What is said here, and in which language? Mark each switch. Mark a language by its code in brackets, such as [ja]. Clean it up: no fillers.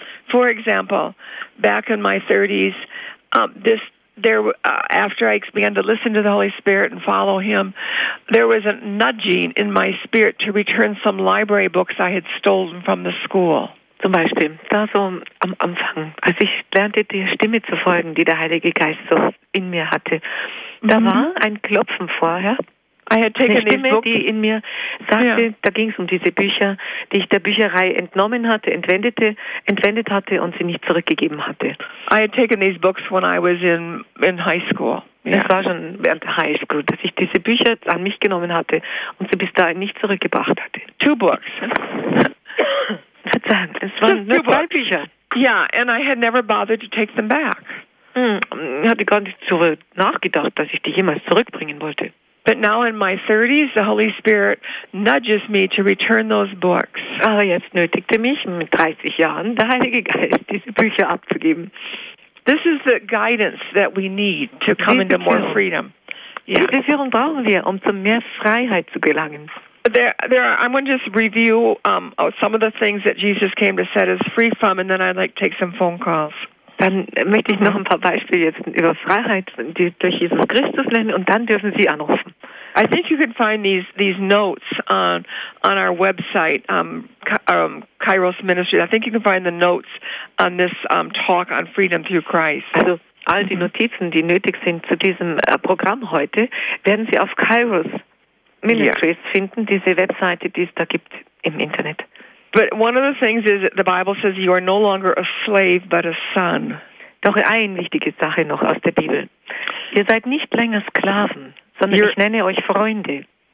[en] For example, back in my 30s, after I began to listen to the Holy Spirit and follow Him, there was a nudging in my spirit to return some library books I had stolen from the school. [de] Zum Beispiel, da so am Anfang, als ich lernte, die Stimme zu folgen, die der Heilige Geist so in mir hatte, da war ein Klopfen vorher. [en] I had taken [de] eine Stimme, die in mir sagte, da ging es um diese Bücher, die ich der Bücherei entnommen hatte, entwendet hatte und sie nicht zurückgegeben hatte. [en] I had taken these books when I was in high school. [de] Das war schon während der High School, dass ich diese Bücher an mich genommen hatte und sie bis dahin nicht zurückgebracht hatte. [en] Two books. [de] Es waren [en] just [de] nur zwei Bücher. [en] Yeah, and I had never bothered to take them back. [de] Ich hatte gar nicht darüber nachgedacht, dass ich die jemals zurückbringen wollte. [en] But now in my 30s, the Holy Spirit nudges me to return those books. [de] Aber jetzt nötigte mich mit 30 Jahren der Heilige Geist, diese Bücher abzugeben. [en] This is the guidance that we need to come into more freedom. Yeah. [de] Diese Führung brauchen wir, um zu mehr Freiheit zu gelangen. [en] I'm going to just review some of the things that Jesus came to set us free from, and then I'd like to take some phone calls. [de] Dann möchte ich noch ein paar Beispiele jetzt über Freiheit durch Jesus Christus nennen, und dann dürfen Sie anrufen. [en] I think you can find these notes on our website, Kairos Ministry. I think you can find the notes on this talk on freedom through Christ. [de] Also all die Notizen, die nötig sind zu diesem Programm heute, werden Sie auf Kairos Ministries finden, diese Webseite, die es da gibt im Internet. [en] But one of the things is that the Bible says you are no longer a slave, but a son. [de] Doch eine wichtige Sache noch aus der Bibel. Ihr seid nicht länger Sklaven, sondern ich nenne euch Freunde.